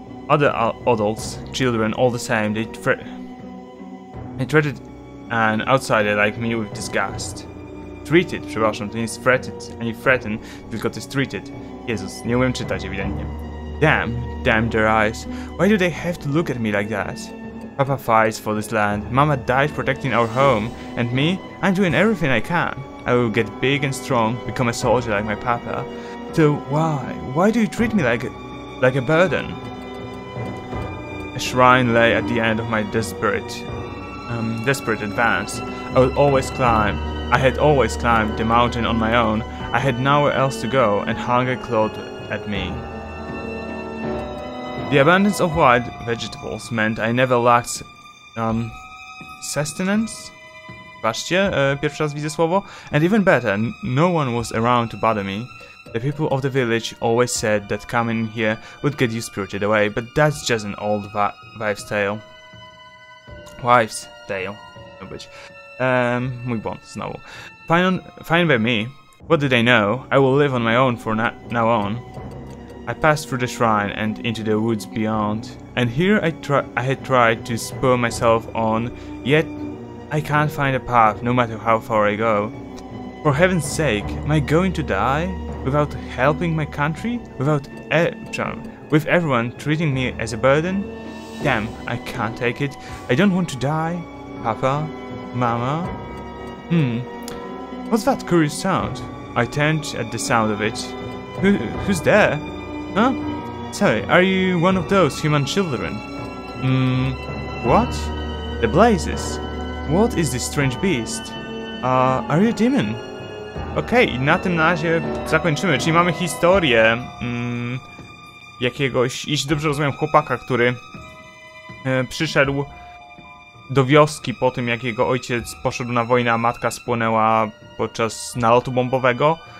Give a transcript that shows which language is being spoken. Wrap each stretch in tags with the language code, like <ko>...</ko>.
<en>Other adults, children, all the same, they treated an outsider like me with disgust.</en> <pl>Treated, przepraszam, to nie jest threatened, ani threaten, tylko to jest treated. Jezus, nie umiem czytać ewidentnie.</pl> <en>Damn their eyes. Why do they have to look at me like that? Papa fights for this land. Mama died protecting our home. And me? I'm doing everything I can. I will get big and strong, become a soldier like my papa. So why? Why do you treat me like a burden? A shrine lay at the end of my desperate advance. I would always climb. I had always climbed the mountain on my own. I had nowhere else to go, and hunger clawed at me. The abundance of wild vegetables meant I never lacked sustenance.</en> <pl>Patrzcie, pierwszy raz widzę słowo.</pl> <en>And even better, no one was around to bother me. The people of the village always said that coming here would get you spirited away, but that's just an old wives' tale. Wives' tale.</en> <pl>No być. Mój błąd, znowu.</pl> <en>Fine by me. What do they know? I will live on my own from now on. I passed through the shrine and into the woods beyond. And here I had tried to spur myself on, yet I can't find a path no matter how far I go. For heaven's sake, am I going to die? Without helping my country? With everyone treating me as a burden? Damn, I can't take it. I don't want to die. Papa? Mama? What's that curious sound? I turned at the sound of it. Who's there? Huh? Sorry, are you one of those human children? What? The blazes. What is this strange beast? Are you a demon?</en> <pl>Okej, okay, na tym razie zakończymy. Czyli mamy historię jakiegoś, jeśli dobrze rozumiem, chłopaka, który przyszedł do wioski po tym, jak jego ojciec poszedł na wojnę, a matka spłonęła podczas nalotu bombowego.</pl>